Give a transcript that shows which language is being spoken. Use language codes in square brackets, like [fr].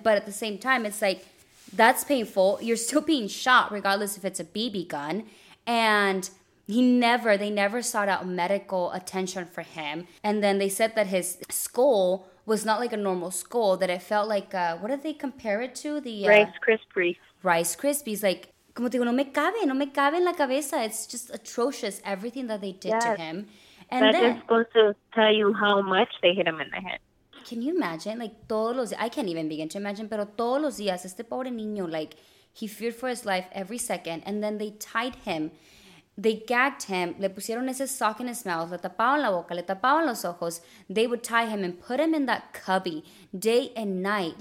[en] But at the same time, it's like, that's painful. You're still being shot, regardless if it's a BB gun. And they never sought out medical attention for him. And then they said that his skull was not like a normal skull, that it felt like, what did they compare it to? The Rice Krispies. [es] Like, como te digo, no me cabe en la cabeza. [en] It's just atrocious, everything that they did to him. And that then, is supposed to tell you how much they hit him in the head. Can you imagine? Like, [es] todos los días, [en] I can't even begin to imagine, [es] pero todos los días, este pobre niño, [en] like, he feared for his life every second, and then they tied him, they gagged him, [es] le pusieron ese [en] sock in his mouth, [es] le tapaban la boca, le tapaban los ojos, [en] they would tie him and put him in that cubby day and night.